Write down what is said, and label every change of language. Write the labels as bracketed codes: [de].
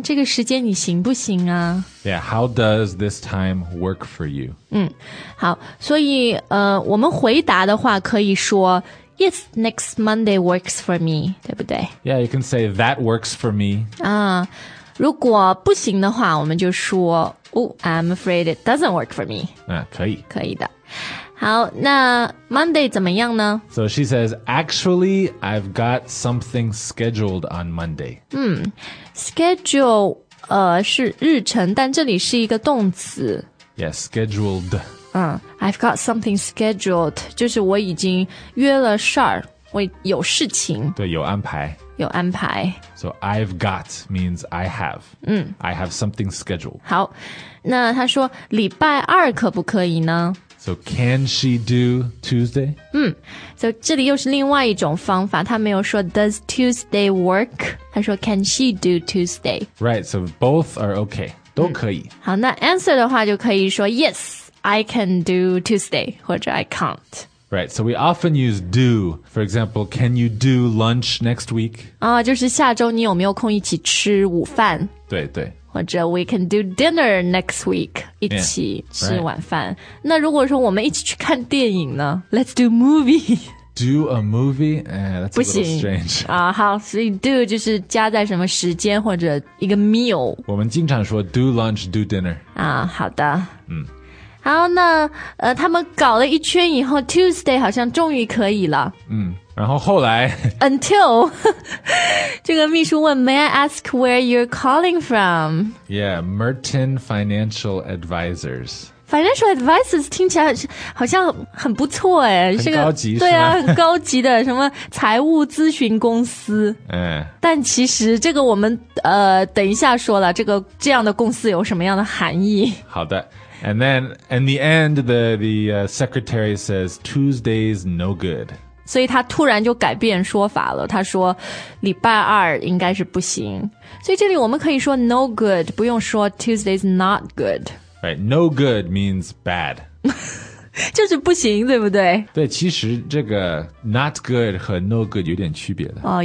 [zh] 这个时间你行不行啊 [en] ？Yeah， how does this time work for you？ [zh] 嗯，好，所以我们回答的话可以说。 [en] Yes, next Monday works for me, [zh] 对不对 [en] Yeah, you can say that works for me. [zh] 如果不行的话我们就说 [en] Oh, I'm afraid it doesn't work for me. [zh] 可以。可以的。好那 Monday 怎么样呢 [en] So she says, actually, I've got something scheduled on Monday. [zh] Schedule, 是日程但这里是一个动词。 [en] Yeah, scheduled. I've got something scheduled, [zh] 就是我已经约了事儿我有事情。对有安排。有安排。 [en] So I've got means I have. I have something scheduled. [zh] 好那他说礼拜二可不可以呢 [en] So can she do Tuesday? [zh] 所以这里又是另外一种方法他没有说 [en] does Tuesday work? [zh] 他说 [en] can she do Tuesday? Right, so both are okay, [zh] 都可以。好那 answer 的话就可以说 yes. [en] I can do Tuesday, 或者 I can't. Right, so we often use do. For example, can you do lunch next week? [zh] 就是下周你有没有空一起吃午饭。对对。 [en] 或者 we can do dinner next week, [zh] 一起吃晚饭。 [en] Yeah, right. [zh] 那如果说我们一起去看电影呢? [en] Let's do movie. Do a movie? That's a little strange. [zh] 好,所以 do 就是加在什么时间或者一个 meal。我们经常说 [en] do lunch, do dinner. [zh] 好的。然后呢他们搞了一圈以后 Tuesday 好像终于可以了。然后后来。 [en] Until, [zh] 这个秘书问 [en] May I ask where you're calling from? Yeah, Merton Financial Advisors. [zh] Financial Advisors 听起来好像很不错耶。很高级对啊很高级的什么财务咨询公司。但其实这个我们等一下说了这样的公司有什么样的含义。好的。 [en] And then, in the end, the secretary says, Tuesday's no good. [zh] 所以他突然就改变说法了。他说礼拜二应该是不行。所以这里我们可以说 [en] no good, [zh] 不用说 [en] Tuesday's not good. Right, no good means bad. [zh] 就是不行对不对对其实这个 not good 和 no good 有点区别的。